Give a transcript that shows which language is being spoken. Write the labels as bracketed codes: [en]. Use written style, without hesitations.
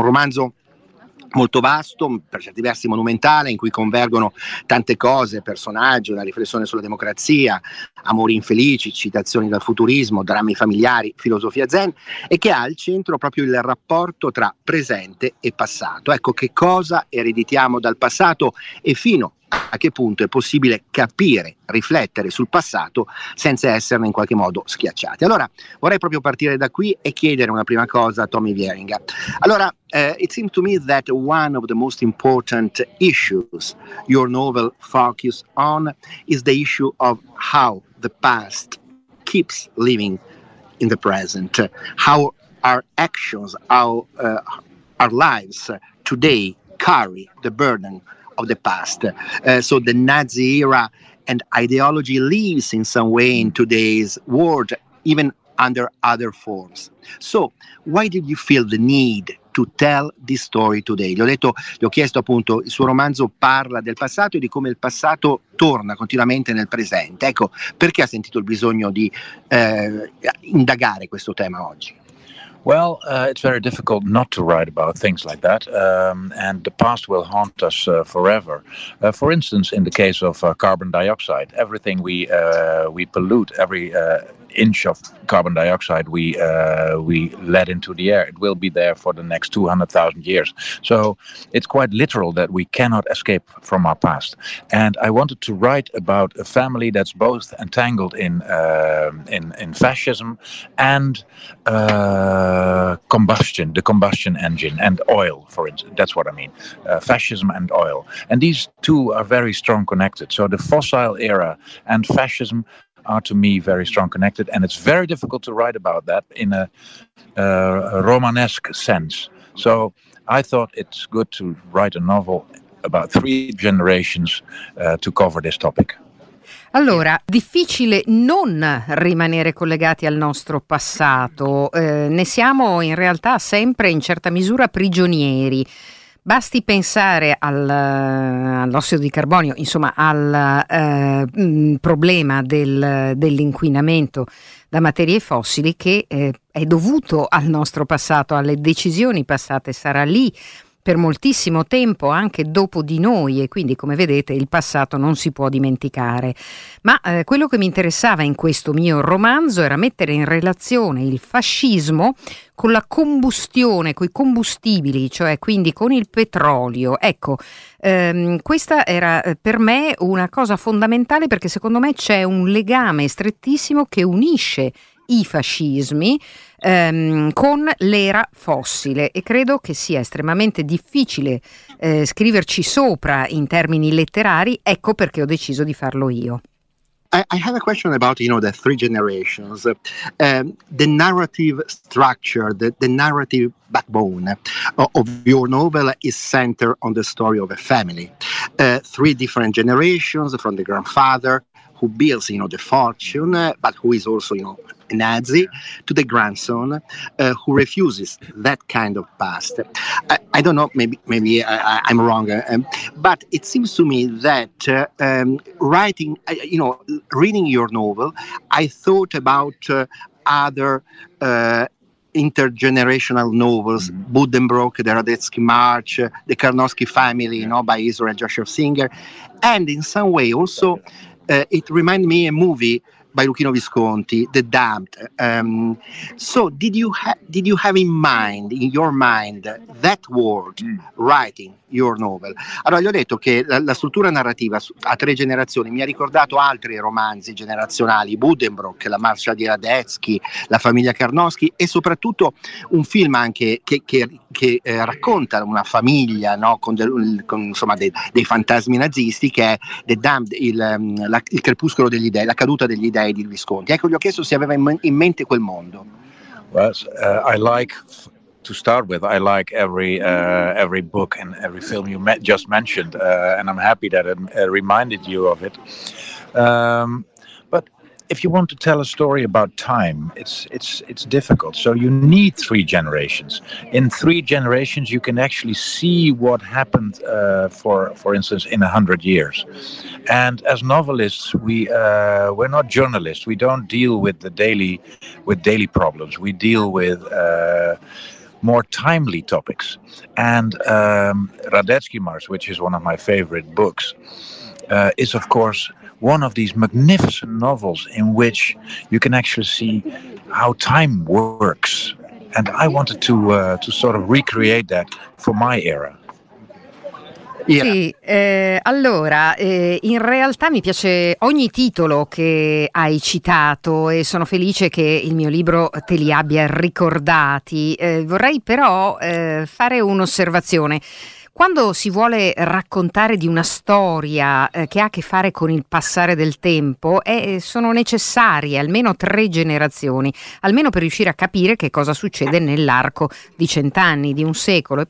[it] Un romanzo molto vasto, per certi versi monumentale, in cui convergono tante cose, personaggi, una riflessione sulla democrazia, amori infelici, citazioni dal futurismo, drammi familiari, filosofia zen, e che ha al centro proprio il rapporto tra presente e passato. Ecco, che cosa ereditiamo dal passato e fino a che punto è possibile capire, riflettere sul passato senza esserne in qualche modo schiacciati. Allora, vorrei proprio partire da qui e chiedere una prima cosa a Tommy Wieringa. [en] Allora, it seems to me that one of the most important issues your novel focuses on is the issue of how the past keeps living in the present. How our actions, our lives today carry the burden of the past. So the Nazi era and ideology lives in some way in today's world, even under other forms. So why did you feel the need to tell this story today? [it] Gli ho chiesto appunto, il suo romanzo parla del passato e di come il passato torna continuamente nel presente. Ecco, perché ha sentito il bisogno di indagare questo tema oggi? [en] Well, it's very difficult not to write about things like that, and the past will haunt us forever. For instance, in the case of carbon dioxide, everything we pollute, every inch of carbon dioxide we let into the air, it will be there for the next 200,000 years. So it's quite literal that we cannot escape from our past. And I wanted to write about a family that's both entangled in fascism and combustion, the combustion engine and oil, for instance. That's what I mean, fascism and oil. And these two are very strong connected. So the fossil era and fascism are to me very strong connected, and it's very difficult to write about that in a Romanesque sense. So I thought it's good to write a novel about three generations to cover this topic. [it] Allora, difficile non rimanere collegati al nostro passato, ne siamo in realtà sempre in certa misura prigionieri. Basti pensare all'ossido di carbonio, insomma al problema dell'inquinamento da materie fossili che è dovuto al nostro passato, alle decisioni passate, sarà lì per moltissimo tempo anche dopo di noi e quindi, come vedete, il passato non si può dimenticare. Ma quello che mi interessava in questo mio romanzo era mettere in relazione il fascismo con la combustione, con i combustibili, cioè quindi con il petrolio. Ecco, questa era per me una cosa fondamentale, perché secondo me c'è un legame strettissimo che unisce i fascismi con l'era fossile, e credo che sia estremamente difficile scriverci sopra in termini letterari. Ecco perché ho deciso di farlo io. [en] I have a question about, you know, the three generations, the narrative structure, the narrative backbone of your novel is centered on the story of a family, three different generations, from the grandfather who builds, you know, the fortune, but who is also, you know, a Nazi to the grandson who refuses that kind of past. I don't know, maybe I'm wrong, but it seems to me that writing, you know, reading your novel, I thought about other intergenerational novels, mm-hmm. Buddenbrook, the Radetzky March, the Karnowski Family, you know, by Israel Joshua Singer. And in some way also, it reminded me of a movie by Luchino Visconti, The Damned. So did you have in mind, in your mind, that world writing your novel? [it] Allora, gli ho detto che la struttura narrativa a tre generazioni mi ha ricordato altri romanzi generazionali, Buddenbrook, La Marcia di Radetzky, La Famiglia Karnowski e soprattutto un film anche che racconta una famiglia, no, con dei fantasmi nazisti, che è The Damned, il crepuscolo degli dei, la caduta degli dei di Visconti. Ecco, gli ho chiesto se aveva in mente quel mondo. [en] To start with, I like every book and every film you just mentioned, and I'm happy that it reminded you of it. But if you want to tell a story about time, it's difficult. So you need three generations. In three generations, you can actually see what happened for instance in 100 years. And as novelists, we're not journalists. We don't deal with daily problems. We deal with more timely topics, and Radetzky March, which is one of my favorite books, is of course one of these magnificent novels in which you can actually see how time works, and I wanted to sort of recreate that for my era. Yeah. [it] Sì, allora in realtà mi piace ogni titolo che hai citato e sono felice che il mio libro te li abbia ricordati. Vorrei però fare un'osservazione. Quando si vuole raccontare di una storia che ha a che fare con il passare del tempo, sono necessarie almeno tre generazioni, almeno per riuscire a capire che cosa succede nell'arco di 100 anni, di un secolo.